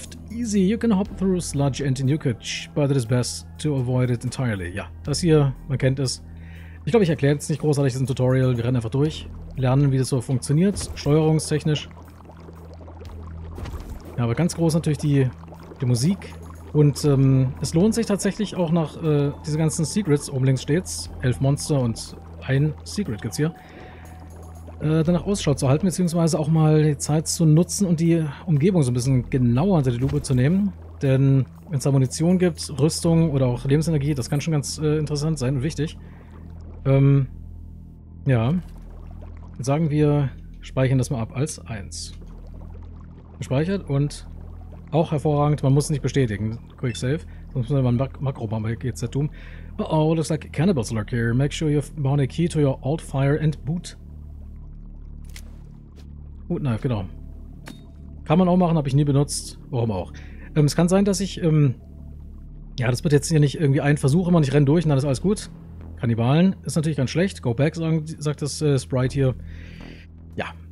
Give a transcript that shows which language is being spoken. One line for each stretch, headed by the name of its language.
English: Easy, you can hop through sludge and nukage, but it is best to avoid it entirely.
German: Ja, das hier, man kennt es. Ich glaube, ich erkläre jetzt nicht großartig diesen Tutorial. Wir rennen einfach durch, lernen, wie das so funktioniert, steuerungstechnisch. Ja, aber ganz groß natürlich die Musik. Und es lohnt sich tatsächlich auch nach diese ganzen Secrets. Oben links steht's. 11 Monster und ein Secret gibt's hier. Danach Ausschau zu halten, beziehungsweise auch mal die Zeit zu nutzen und die Umgebung so ein bisschen genauer unter die Lupe zu nehmen. Denn wenn es da Munition gibt, Rüstung oder auch Lebensenergie, das kann schon ganz interessant sein und wichtig. Ja. Jetzt sagen wir, speichern das mal ab als 1. Gespeichert und auch hervorragend, man muss es nicht bestätigen. Quick Save, sonst muss man Makro machen bei GZ Doom.
English: Oh, looks like cannibals lurk here. Make sure you've bound a key to your alt fire and boot.
German: Boot Knife, genau. Kann man auch machen, habe ich nie benutzt. Warum auch? Es kann sein, dass ich, ja, das wird jetzt hier nicht irgendwie ein Versuch immer, ich renne durch und dann ist alles gut. Kannibalen ist natürlich ganz schlecht.
English: Go back,
German: sagt das Sprite hier. Ja.